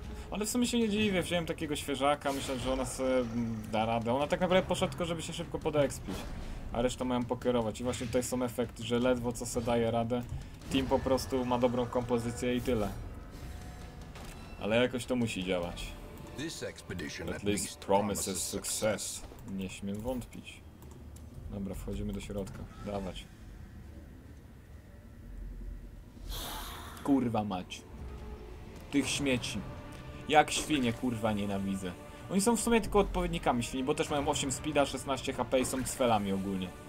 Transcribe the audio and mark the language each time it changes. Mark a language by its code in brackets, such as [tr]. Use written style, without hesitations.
[pl] Ale w sumie się nie dziwię, wziąłem takiego świeżaka, myślałem, że ona sobie da radę. Ona tak naprawdę poszła tylko, żeby się szybko podekspić. A resztę mają pokierować. I właśnie tutaj są efekty, że ledwo co se daje radę. Team po prostu ma dobrą kompozycję i tyle. Ale jakoś to musi działać. [en] At least promises success. [pl] Nie śmiem wątpić. Dobra, wchodzimy do środka. Dawać. Kurwa mać. Tych śmieci. Jak świnie, kurwa, nienawidzę. Oni są w sumie tylko odpowiednikami świni, bo też mają 8 speeda, 16 HP i są cwelami ogólnie.